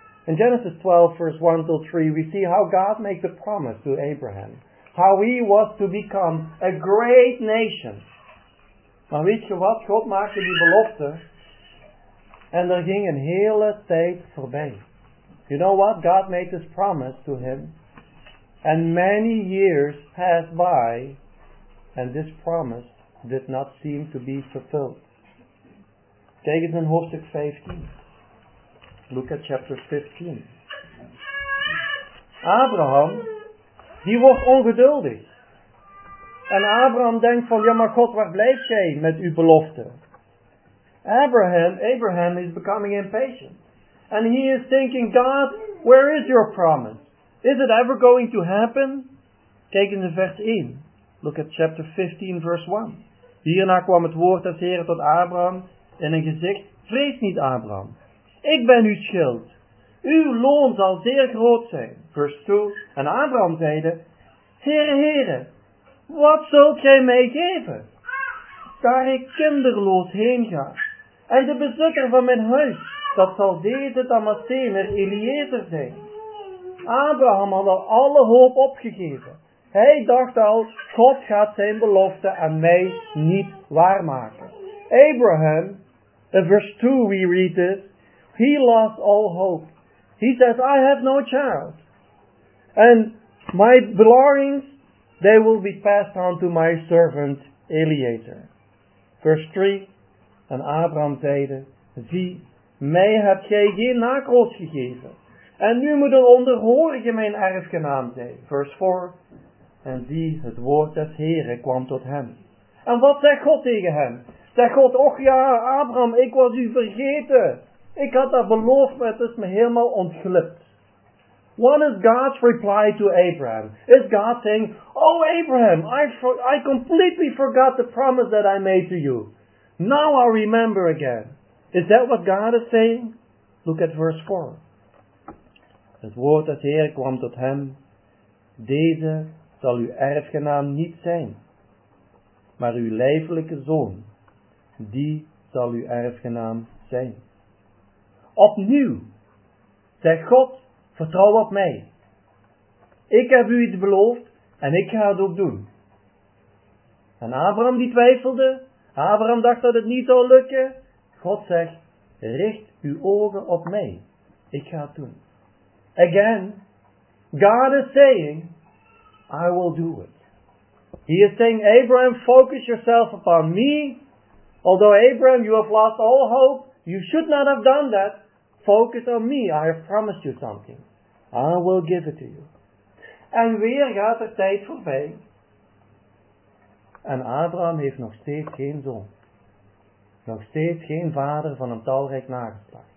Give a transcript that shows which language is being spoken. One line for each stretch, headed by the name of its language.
English: In Genesis 12, verse 1 to 3, we see how God makes a promise to Abraham. How he was to become a great nation.
Dutch: Maar weet je wat? God maakte die belofte. En er ging een hele tijd voorbij.
English: You know what? God made this promise to him. And many years passed by. And this promise did not seem to be fulfilled.
Dutch: Kijk eens in hoofdstuk 15.
English: Look at chapter 15.
Dutch: Abraham, die wordt ongeduldig. En Abraham denkt van, ja maar God, waar blijf jij met uw belofte?
English: Abraham is becoming impatient. And he is thinking, God, where is your promise? Is it ever going to happen?
Dutch: Kijk eens in vers 1.
English: Look at chapter 15, verse 1.
Dutch: Hierna kwam het woord des Heren tot Abraham in een gezicht, vrees niet Abraham, ik ben uw schild, uw loon zal zeer groot zijn. Vers 2, en Abraham zeide, Heere, wat zult gij mij geven, daar ik kinderloos heen ga, en de bezitter van mijn huis, dat zal deze Damascener Eliezer zijn. Abraham had al alle hoop opgegeven. Hij dacht al, God gaat zijn belofte aan mij niet waarmaken.
English: Abraham, in verse 2 we read this, he lost all hope. He says, I have no child. And my belongings, they will be passed on to my servant Eliezer.
Dutch: Verse 3, en Abraham zeide, zie, mij heb jij geen nakroos gegeven. En nu moet een onderhorige mijn erfgenaam zijn. Verse 4, en zie, het woord des Heren kwam tot hem. En wat zegt God tegen hem? Zegt God, och ja, Abraham, ik was u vergeten. Ik had dat beloofd, maar het is me helemaal ontglipt.
English: What is God's reply to Abraham? Is God saying, oh Abraham, I completely forgot the promise that I made to you. Now I remember again. Is that what God is saying? Look at verse 4. Het woord des Heeren kwam tot hem. Deze zal uw erfgenaam niet zijn, maar uw lijfelijke zoon, die zal uw erfgenaam zijn. Opnieuw, zegt God, vertrouw op mij. Ik heb u iets beloofd en ik ga het ook doen. En Abraham die twijfelde, Abraham dacht dat het niet zou lukken. God zegt, richt uw ogen op mij, ik ga het doen. Again, God is saying, I will do it. He is saying, Abraham, focus yourself upon me. Although Abraham, you have lost all hope, you should not have done that. Focus on me, I have promised you something. I will give it to you.
Dutch: En weer gaat de tijd voorbij. En Abraham heeft nog steeds geen zoon. Nog steeds geen vader van een talrijk nageslacht.